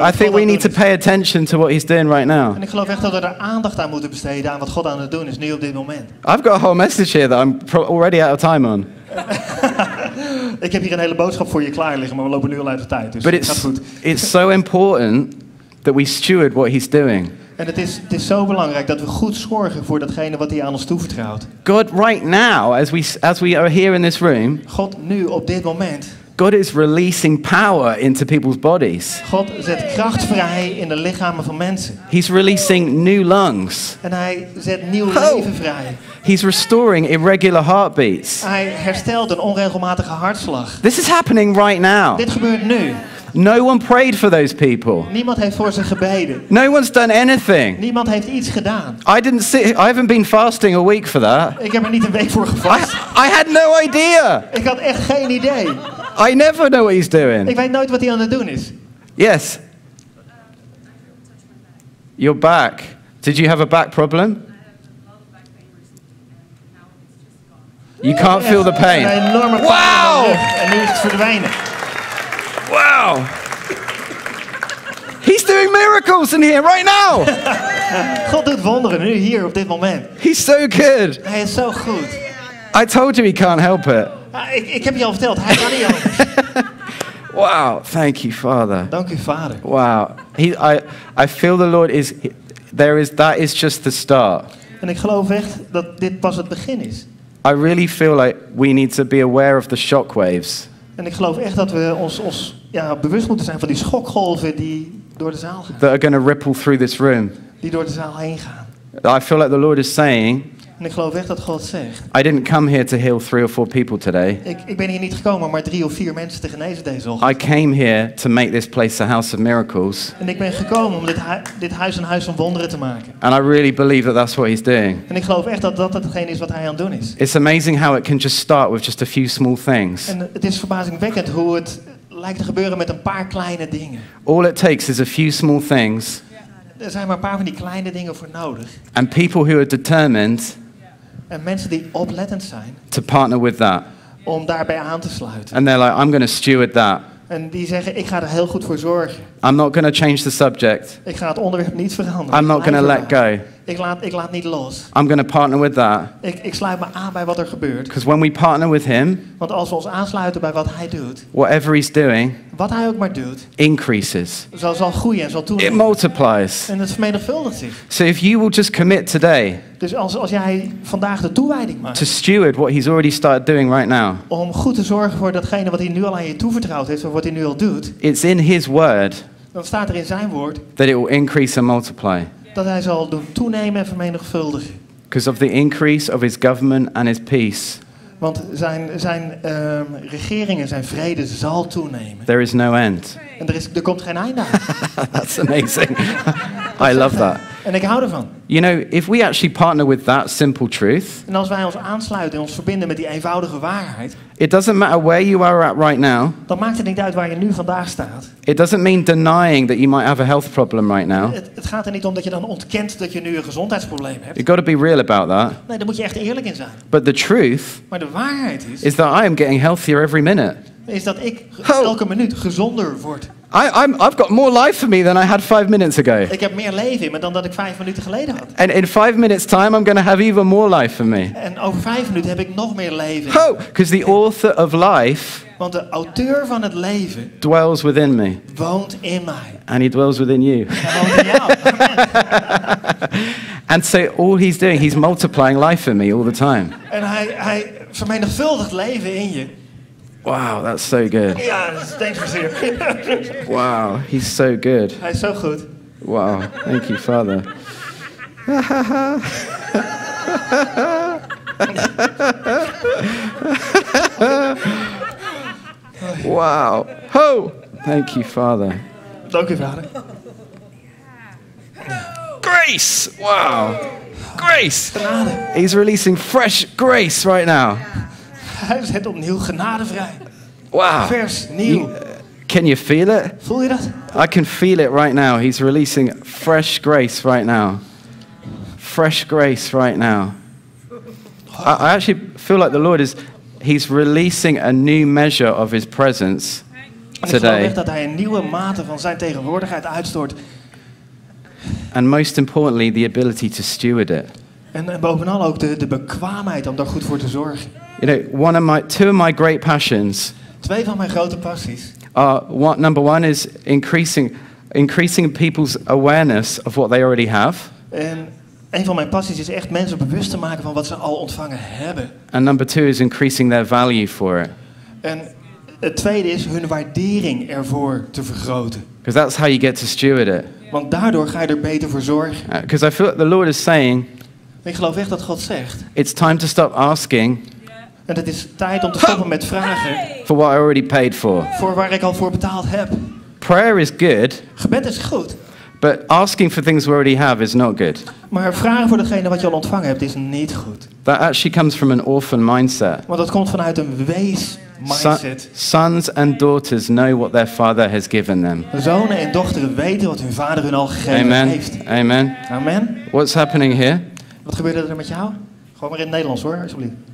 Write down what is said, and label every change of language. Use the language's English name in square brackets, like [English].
[English] I think we need to pay attention to what he's doing right now. [Dutch] En ik geloof echt dat we er aandacht aan moeten besteden aan wat God aan het doen is nu op dit moment. [English] I've got a whole message here that I'm already out of time on. [Dutch] Ik heb hier een hele boodschap voor je klaar liggen, maar we lopen nu al uit de tijd, dus dat gaat goed. [English] It's so important that we steward what he's doing. [Dutch] En het is zo belangrijk dat we goed zorgen voor datgene wat hij aan ons toevertrouwt. [English] God right now as we are here in this room. [Dutch] God nu op dit moment. [English] God is releasing power into people's bodies. [Dutch] God zet kracht vrij in de lichamen van mensen. [English] He's releasing new lungs. [Dutch] En hij zet nieuw leven vrij. [English] He's restoring irregular heartbeats. [Dutch] Hij herstelt een onregelmatige hartslag. [English] This is happening right now. [Dutch] Dit gebeurt nu. [English] No one prayed for those people. [Dutch] Niemand heeft voor ze gebeden. [English] No one's done anything. [Dutch] Niemand heeft iets gedaan. [English] I haven't been fasting a week for that. [Dutch] Ik heb er niet een week voor gevast. [English] I had no idea. [Dutch] Ik had echt geen idee. [English] I never know what he's doing. [Dutch] Ik weet nooit wat hij aan het doen is. [English] Yes. Your back. Did you have a back problem? You can't feel the pain. [Dutch] Wow! En nu is het verdwenen. Wow! [English] He's doing miracles in here right now. [Dutch] God doet wonderen nu hier op dit moment. [English] He's so good. [Dutch] Hij is zo goed. [English] I told you he can't help it. [Dutch] Ik heb je al verteld, hij kan niet anders. [English] Wow, thank you, Father. [Dutch] Dank u, Vader. Wow. [English] I feel the Lord is there is that is just the start. [Dutch] En ik geloof echt dat dit pas het begin is. [English] I really feel like we need to be aware of the shockwaves. [Dutch] En ik geloof echt dat we ons ja, bewust moeten zijn van die schokgolven die door de zaal gaan. [English] That are going to ripple through this room. [Dutch] Die door de zaal heen gaan. [English] I feel like the Lord is saying. [Dutch] En ik geloof echt dat God zegt. [English] I didn't come here to heal 3 or 4 people today. [Dutch] Ik ben hier niet gekomen om maar 3 of 4 mensen te genezen deze ochtend. [English] I came here to make this place a house of miracles. [Dutch] En ik ben gekomen om dit huis een huis van wonderen te maken. [English] And I really believe that that's what he's doing. [Dutch] En ik geloof echt dat hetgeen is wat hij aan het doen is. [English] It's amazing how it can just start with just a few small things. [Dutch] En het is verbazingwekkend hoe het lijkt te gebeuren met een paar kleine dingen. [English] All it takes is a few small things. [Dutch] Er zijn maar een paar van die kleine dingen voor nodig. [English] And people who are determined. [Dutch] En mensen die oplettend zijn. [English] To partner with that. [Dutch] Om daarbij aan te sluiten. [English] And they're like, I'm going to steward that. [Dutch] En die zeggen, ik ga er heel goed voor zorgen. [English] I'm not going to change the subject. [Dutch] Ik ga het onderwerp niet veranderen. [English] I'm not going to let go. [Dutch] Ik laat niet los. [English] I'm going to partner with that. [Dutch] Ik sluit me aan bij wat er gebeurt. [English] Because when we partner with him. [Dutch] Want als we ons aansluiten bij wat hij doet. [English] Whatever he's doing. [Dutch] Wat hij ook maar doet. [English] Increases. [Dutch] Zal groeien en zal toenemen. [English] It multiplies. [Dutch] En het vermenigvuldigt zich. [English] So if you will just commit today. [Dutch] Dus als jij vandaag de toewijding maakt. [English] To steward what he's already started doing right now. [Dutch] Om goed te zorgen voor datgene wat hij nu al aan je toevertrouwd heeft. Of wat hij nu al doet. [English] It's in his word. [Dutch] Dan staat er in zijn woord. [English] That it will increase and multiply. [Dutch] Dat hij zal doen toenemen en vermenigvuldigen. [English] Because of the increase of his government and his peace. [Dutch] Want zijn regeringen, zijn vrede zal toenemen. [English] There is no end. [Dutch] En er komt geen einde aan. [English] That's amazing. I love that. [Dutch] En ik hou ervan. [English] You know, if we actually partner with that simple truth. [Dutch] En als wij ons aansluiten en ons verbinden met die eenvoudige waarheid. [English] It doesn't matter where you are at right now. [Dutch] Dan maakt het niet uit waar je nu vandaag staat. [English] It doesn't mean denying that you might have a health problem right now. [Dutch] Het gaat er niet om dat je dan ontkent dat je nu een gezondheidsprobleem hebt. [English] You've got to be real about that. [Dutch] Nee, daar moet je echt eerlijk in zijn. [English] But the truth. [Dutch] Maar de waarheid is. [English] Is that I am getting healthier every minute. [Dutch] Is dat ik elke minuut gezonder word. [English] I've got more life for me than I had 5 minutes ago. [Dutch] Ik heb meer leven in me dan dat ik 5 minuten geleden had. [English] And in 5 minutes time I'm going to have even more life for me. [Dutch] En over 5 minuten heb ik nog meer leven. [English] Oh, because the author of life. [Dutch] Want de auteur van het leven. [English] Dwells within me. [Dutch] Woont in mij. [English] And he dwells within you. And so all he's doing, he's multiplying life in me all the time. [Dutch] En hij vermenigvuldigt leven in je. [English] Wow, that's so good. Yeah, thanks for seeing. Wow, he's so good. [Dutch] Hij is zo goed. [English] Wow, thank you, Father. Wow. Ho! Thank you, Father. [Dutch] Dank u, Vader. [English] Grace! Wow. Grace! [Dutch] Genade. [English] He's releasing fresh grace right now. [Dutch] Hij zet opnieuw genade vrij. Wow. Vers nieuw. [English] Can you feel it? [Dutch] Voel je dat? [English] I can feel it right now. He's releasing fresh grace right now. Fresh grace right now. I actually feel like the Lord is, he's releasing a new measure of his presence today. [Dutch] Ik geloof echt dat hij een nieuwe mate van zijn tegenwoordigheid uitstort. [English] And most importantly, the ability to steward it. [Dutch] En bovenal ook de bekwaamheid om daar goed voor te zorgen. [English] You know, two of my great passions. [Dutch] Twee van mijn grote passies. [English] Number one is increasing people's awareness of what they already have. [Dutch] En een van mijn passies is echt mensen bewust te maken van wat ze al ontvangen hebben. [English] And number two is increasing their value for it. [Dutch] En Het tweede is hun waardering ervoor te vergroten. [English] Because that's how you get to steward it. [Dutch] Want daardoor ga je er beter voor zorgen. [English] Because I feel like the Lord is saying. [Dutch] Ik geloof echt dat God zegt. [English] It's time to stop asking. [Dutch] En het is tijd om te stoppen met vragen. [English] For what I already paid for. [Dutch] Voor waar ik al voor betaald heb. [English] Prayer is good. [Dutch] Gebed is goed. [English] But asking for things we already have is not good. [Dutch] Maar vragen voor degene wat je al ontvangen hebt is niet goed. [English] That actually comes from an orphan mindset. [Dutch] Want dat komt vanuit een wees mindset. [English] Sons and daughters know what their father has given them. [Dutch] Zonen en dochteren weten wat hun vader hun al gegeven Amen. Heeft. Amen. Amen. [English] What's happening here? [Dutch] Wat gebeurde er met jou? Gewoon maar in het Nederlands hoor, alsjeblieft.